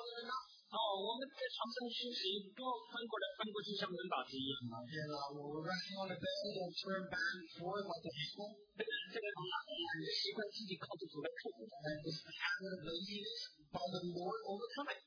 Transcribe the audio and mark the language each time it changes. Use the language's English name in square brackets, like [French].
[Chinese] 我们在床上休息，不要翻过来翻过去，像人打字一样。 [English] We're resting on the bed and turn back and forth like a fool. [Chinese] 这个习惯自己靠着主来克服。 [English] And this habit of laziness, by the Lord overcome it.